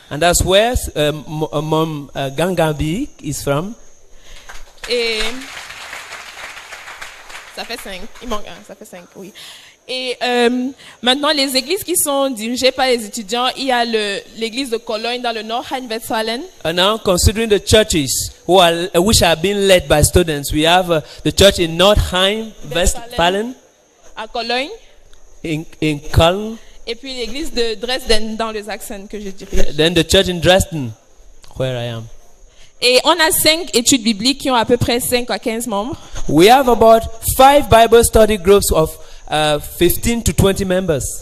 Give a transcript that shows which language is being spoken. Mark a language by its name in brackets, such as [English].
[English] And that's where mom Gangambi is from. [French] Et ça fait 5. Il manque un. Ça fait 5. Oui. Et maintenant, les églises qui sont dirigées par les étudiants, il y a l'église de Cologne dans le Nordrhein-Westfalen. [English] And now, considering the churches which are being led by students, we have the church in Nordrhein-Westfalen. [French] À Cologne. [English] In Köln. [French] Et puis l'église de Dresden dans le Sachsen que je dirige. [English] Then the church in Dresden, where I am. [French] Et on a 5 études bibliques qui ont à peu près 5 à 15 membres. [English] We have about 5 Bible study groups of 15 to 20 members.